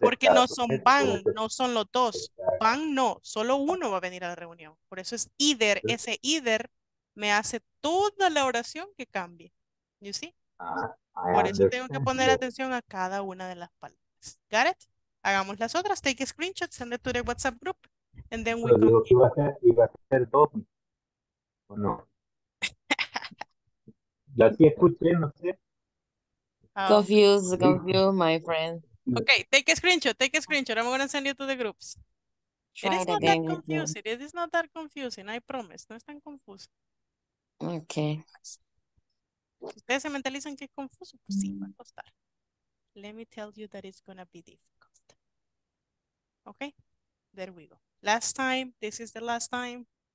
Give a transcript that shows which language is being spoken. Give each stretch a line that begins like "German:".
Spanish: Porque claro, no son van, no son los dos. Van no, solo uno va a venir a la reunión. Por eso es either, ese either me hace toda la oración que cambie.
English: You see?
Spanish: Por eso tengo que poner atención a cada una de las palabras.
English: Got it?
Spanish: Hagamos las otras.
English: Take a screenshot, send it to the WhatsApp group, and then we
Spanish: can. Pero digo que iba a ser dos. ¿O no? Ya sí escuché, no sé.
English: Confused, confused, my friend. Okay, take a screenshot. I'm going to send you to the groups. Try it is not that confusing. It is not that confusing, I promise.
Spanish: No es tan confuso.
English: Okay.
Spanish: Si ustedes se mentalizan que es confuso, pues sí, va a costar.
English: Let me tell you that it's going to be difficult. Okay? There we go. Last time. This is the last time.